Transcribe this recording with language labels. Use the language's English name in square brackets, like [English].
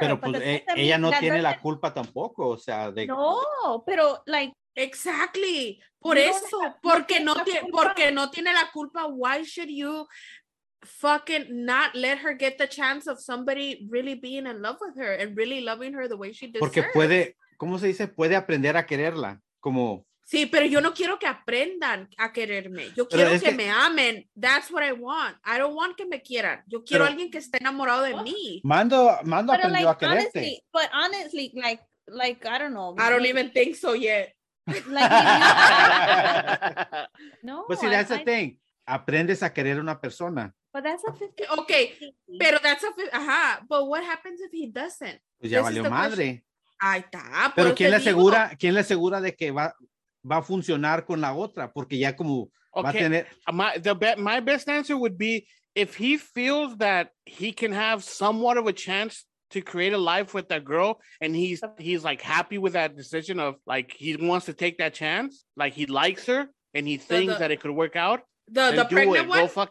[Spanish] pero, [English] but [Spanish] pues, ella no tiene la culpa tampoco o sea de no pero [English] like exactly [Spanish] por eso porque no tiene porque no tiene la culpa [English] why should you fucking not let her get the chance of somebody really being in love with her and really loving her the way she deserves [Spanish] porque puede cómo se dice puede aprender a quererla como sí, pero yo no quiero que aprendan a quererme. Yo quiero que me amen. [English] That's what I want. I don't want [Spanish] que me quieran. Yo quiero pero, alguien que esté enamorado de mí. Mando pero aprendió [English] like, [Spanish] a quererte. [English] Honestly, but honestly, like I don't know. I maybe, don't even think so yet. Like, no. But see, that's the thing. [Spanish] Aprendes a querer una persona. [English] But that's a 50. Okay, [Spanish] pero [English] that's a 50. Ajá. But what happens if he doesn't? [Spanish] Pues ya [English] this [Spanish] valió madre. Ahí está. Pero ¿quién le asegura? ¿Quién le asegura de que va... va a funcionar con la otra porque ya como [English] okay. [Spanish] va a tener [English] my best answer would be if he feels that he can have somewhat of a chance to create a life with that girl and he's like happy with that decision of like he wants to take that chance like he likes her and he thinks that it could work out the pregnant one